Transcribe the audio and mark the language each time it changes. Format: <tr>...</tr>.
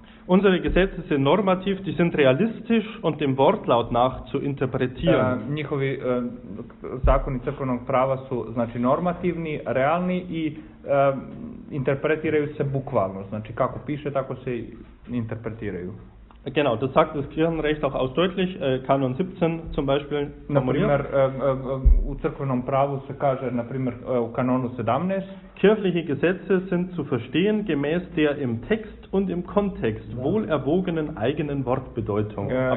<de>Unsere Gesetze sind normativ, die sind realistisch und dem Wortlaut nach zu interpretieren.</de> <sr>Njihovi zakoni crkvenog prava su znači normativni, realni i interpretiraju se bukvalno, znači kako piše, tako se interpretiraju.</sr> <de>Genau, das sagt das Kirchenrecht auch ausdrücklich, Kanon 17 zum Beispiel.</de> <sr>Naprimjer, u crkvenom pravu se kaže, naprimjer, u kanonu 17.</sr> <de>Kirchliche Gesetze sind zu verstehen gemäß der im Text und im Kontext wohl erwogenen eigenen Wortbedeutung.</de>